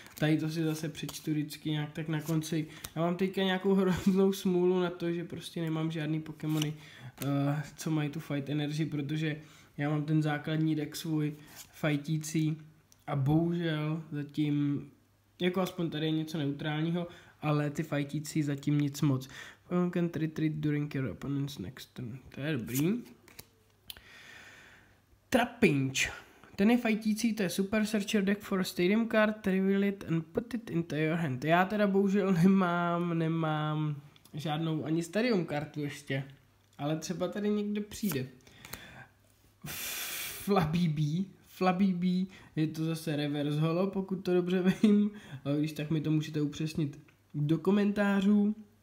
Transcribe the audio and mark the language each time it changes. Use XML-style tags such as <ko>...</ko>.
<cs>Tady to si zase přečtu vždycky nějak tak na konci. Já mám teďka nějakou hroznou smůlu na to, že prostě nemám žádný Pokémony, co mají tu fight energy, protože já mám ten základní deck svůj fightící a bohužel zatím, jako aspoň tady je něco neutrálního, ale ty fightící zatím nic moc.</cs> <en>You can retreat during your opponent's next turn.</en> <cs>To je dobrý. Trapinch. Ten je fightící, to je super</cs> <en>searcher deck for stadium card. Reveal it and put it into your hand.</en> <cs>Já teda bohužel nemám žádnou ani stadium kartu ještě. Ale třeba tady někdo přijde. Flabby B. Je to zase reverse holo, pokud to dobře vím. Ale když tak mi to můžete upřesnit do komentářů.</cs>